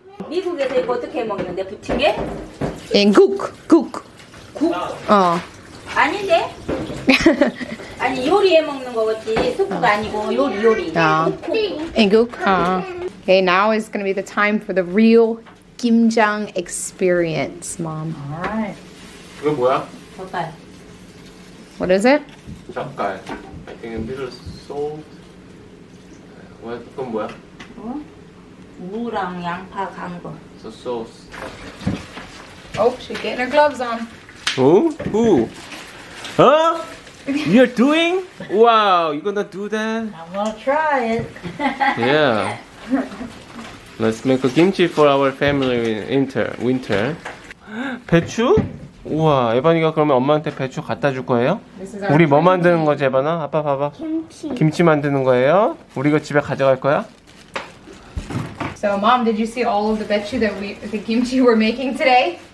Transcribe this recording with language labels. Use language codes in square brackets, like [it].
[ko] 미국에서 이거 어떻게 먹는데? 부친 게? [en] In cook. Cook. Cook? [ko] 어. 아닌데? 아니, 요리에 먹는 거 같지. 소프가 아니고 요리. [en] 인 cook? Okay, now is going to be the time for the real kimjang experience, Mom. Alright. [ko] 그거 뭐야? 젓갈. [en] What is it? [ko] 젓갈. [en] I think a little salt. [ko] 그건 뭐야? 어? 무랑 양파 간 거. [en] It's a sauce. Oh, she's getting her gloves on. Who? Who? Huh? You're doing? Wow, you gonna do that? I'm gonna try it. Yeah. Let's make a kimchi for our family in winter. [ko] 배추? 우와, 에바니가 그러면 엄마한테 배추 갖다 줄 거예요? 우리 뭐 만드는 거지, 에바나? 아빠 봐봐. 김치. 김치 만드는 거예요? 우리 이거 집에 가져갈 거야? [en] So So, Mom, did you see all of the betchu that we, the kimchi we're making today?